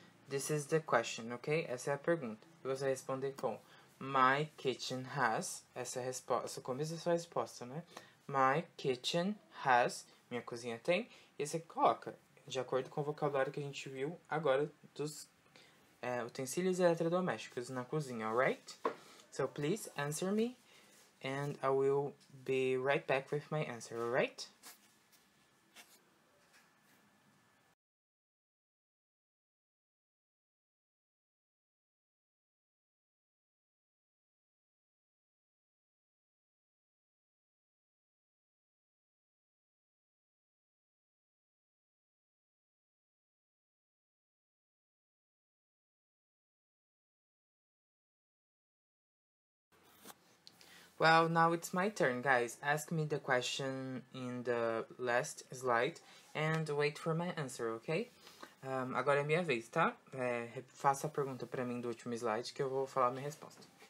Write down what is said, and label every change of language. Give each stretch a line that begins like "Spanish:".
English: This is the question, ok?
Portuguese: Essa é a pergunta. Você responde com
English: My kitchen has.
Portuguese: Essa é a resposta. Começa a sua resposta, né?
English: My kitchen has.
Portuguese: Minha cozinha tem. E você coloca, de acordo com o vocabulário que a gente viu agora, dos utensílios eletrodomésticos na cozinha, alright?
English: So, please answer me. And I will be right back with my answer, alright? Well, now it's my turn, guys. Ask me the question in the last slide and wait for my answer, ok?
Portuguese: Agora é minha vez, tá? Faça a pergunta pra mim do último slide que eu vou falar minha resposta.